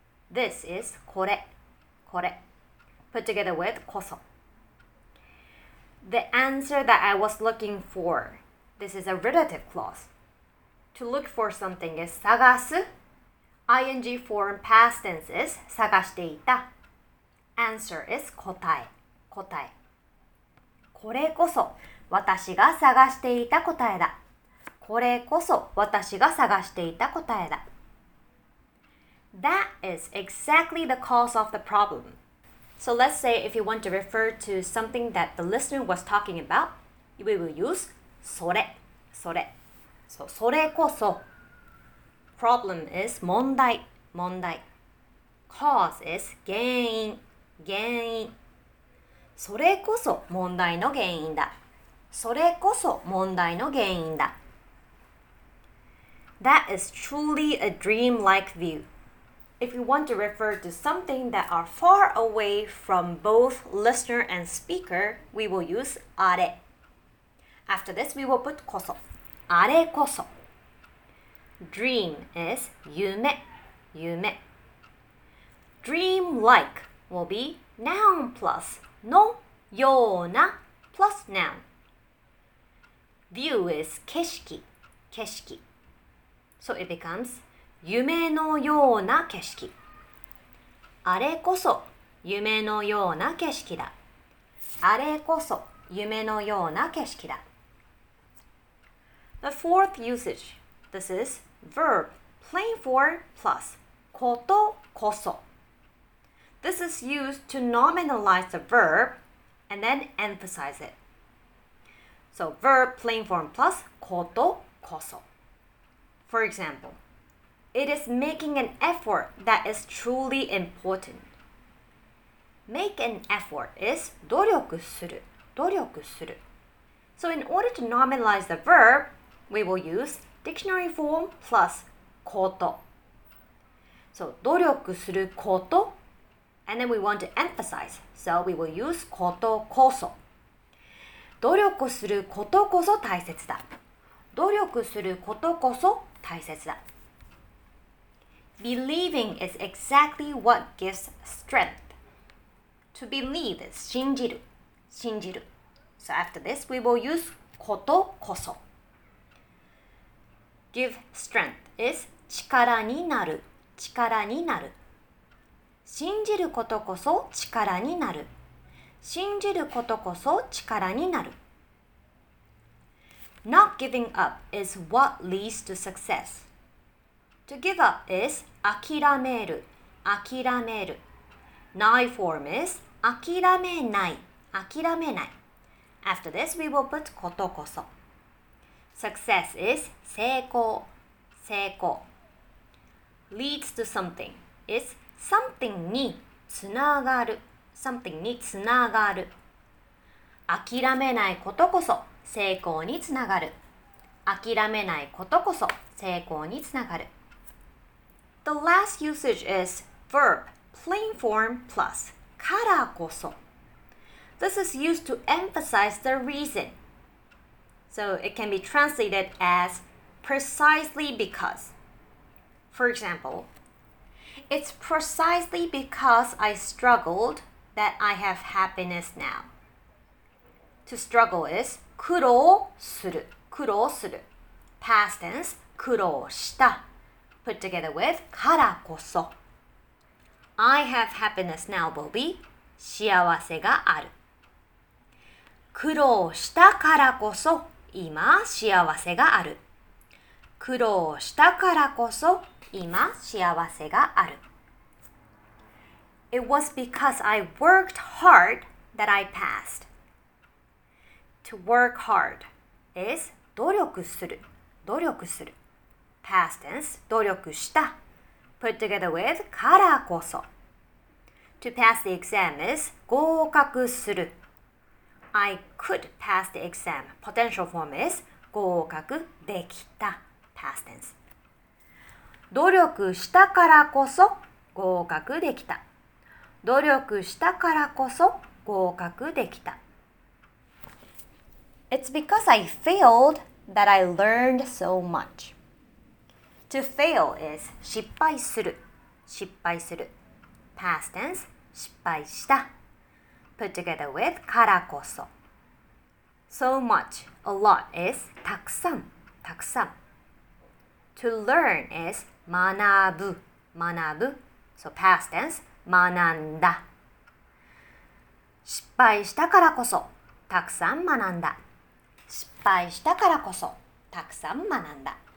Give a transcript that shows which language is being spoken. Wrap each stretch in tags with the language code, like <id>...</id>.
<en>This is kore, kore, put together with koso. The answer that I was looking for. This is a relative clause. To look for something is 探す. ING form past tense is 探していた. Answer is 答え。</en> <ja>これこそ私が探していた答えだ。これこそ私が探していた答えだ。</ja> <en>That is exactly the cause of the problem. So let's say if you want to refer to something that the listener was talking about, we will use それ。</en> <ja>それ。So それこそ。</ja> <en>Problem is 問題。</en> <ja>問題。</ja> <en>Cause is</en> <ja>原因。原因。それこそ問題の原因だ。それこそ問題の原因だ。</ja> <en>That is truly a dream-like view. If you want to refer to something that are far away from both listener and speaker, we will use あれ。 After this, we will put こそ。</en> <ja>あれこそ。</ja> <en>Dream is 夢。夢。 Dream-like will be noun plus のような plus noun. View is 景色。景色。 So it becomes</en> <ja>夢のような景色。あれこそ夢のような景色だ。あれこそ夢のような景色だ。</ja> <en>The fourth usage. This is verb plain form plus</en> <ja>ことこそ。</ja> <en>This is used to nominalize the verb and then emphasize it. So verb plain form plus</en> <ja>ことこそ。</ja> <en>For example, it is making an effort that is truly important. Make an effort is</en> <ja>努力する。努力する。</ja> <en>So in order to nominalize the verb, we will use dictionary form plus</en> <ja>こと。 So 努力すること。</ja> <en>And then we want to emphasize, so we will use ことこそ。</en> <ja>努力することこそ大切だ。努力することこそ大切だ。</ja> <en>Believing is exactly what gives strength. To believe is 信じる。</en> <ja>信じる。</ja> <en>So after this, we will use ことこそ。 Give strength is</en> <ja>力になる。力になる。信じることこそ力になる。信じることこそ力になる。</ja> <en>Not giving up is what leads to success. To give up is</en> <ja>諦める。諦める。</ja> <en>Nigh form is</en> <ja>諦めない。諦めない。</ja> <en>After this, we will put ことこそ。 Success is</en> <ja>成功。成功。</ja> <en>Leads to something is something につながる。 Something</en> <ja>につながる。諦めないことこそ成功につながる。諦めないことこそ成功につながる。</ja> <en>The last usage is verb plain form plus</en> <ja>からこそ。</ja> <en>This is used to emphasize the reason. So it can be translated as precisely because. For example,It's precisely because I struggled that I have happiness now. To struggle is</en> <ja>苦労する。苦労する。</ja> <en>Past tense, 苦労した。 Put together with</en> <ja>からこそ。</ja> <en>I have happiness now, Bobby.</en> <ja>幸せがある。苦労したからこそ、今幸せがある。苦労したからこそ、今幸せがある。</ja> <en>It was because I worked hard that I passed. To work hard is</en> <ja>努力する。努力する。</ja> <en>Past tense, 努力した。 Put together with</en> <ja>からこそ。</ja> <en>To pass the exam is</en> <ja>合格する。</ja> <en>I could pass the exam. Potential form is</en> <ja>合格できた。</ja> <en>Past tense。</en> <ja>努力したからこそ合格できた。努力したからこそ合格できた。</ja> <en>It's because I failed that I learned so much. To fail is 失敗する。</en> <ja>失敗する。</ja> <en>Past tense 失敗した。 Put together with からこそ。 So much, a lot is たくさん、たくさん。 To learn is 学ぶ、学ぶ。 So past tense 学んだ。</en> <ja>失敗したからこそたくさん学んだ。失敗したからこそたくさん学んだ。</ja>